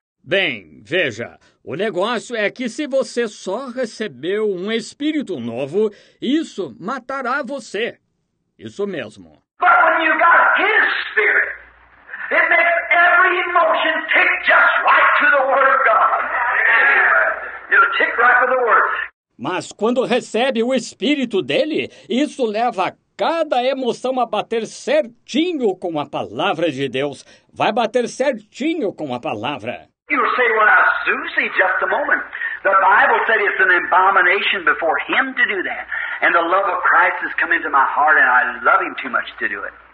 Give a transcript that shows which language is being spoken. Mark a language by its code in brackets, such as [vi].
[pt] Bem, veja, o negócio é que se você só recebeu um espírito novo, isso matará você. Isso mesmo. [en] But when you got his spirit, it makes every emotion tick just right to the Word of God. It'll tick right with the Word. [pt] Mas quando recebe o espírito dele, isso leva a cada emoção a bater certinho com a palavra de Deus. Vai bater certinho com a palavra. [en] You'll say, well, now, Susie, just a moment. The Bible said it's an abomination before him to do that. And the love of Christ has come into my heart and I love him too much to do it.